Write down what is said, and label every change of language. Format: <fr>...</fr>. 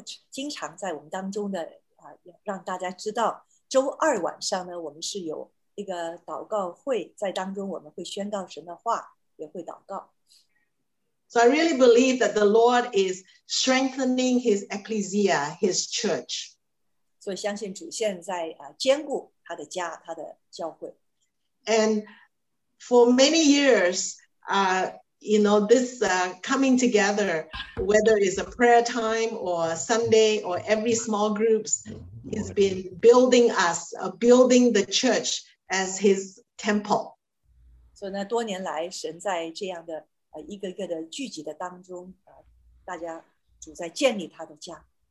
<zh>经常在我们当中的让大家知道周二晚上呢，我们是有一个祷告会，在当中我们会宣告神的话，也会祷告。</zh> <en>So I really believe that the Lord is strengthening His ecclesia, His church.</en> <zh>所以相信主现在坚固他的家，他的教会。</zh> <en>And for many years, you know, this coming together, whether it's a prayer time or Sunday or every small groups, has been building us, building the church as His temple.</en> <zh>所以呢，多年来神在这样的一个个的聚集的当中，大家主在建立他的家。</zh>